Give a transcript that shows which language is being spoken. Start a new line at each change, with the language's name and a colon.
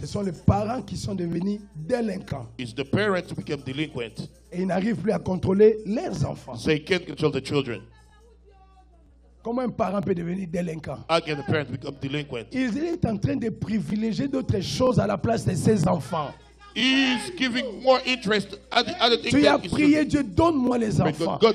French: Ce sont les parents qui sont devenus délinquants.
English: It's the parents who became delinquent.
French: Et ils n'arrivent plus à contrôler leurs enfants.
English: So they can't control the children.
French: Comment un parent peut devenir délinquant?
English: How can the parents become delinquent?
French: Ils sont en train de privilégier d'autres choses à la place de ses enfants.
English: He's giving more interest at the other things.
French: Tu as prié Dieu, donne-moi les enfants.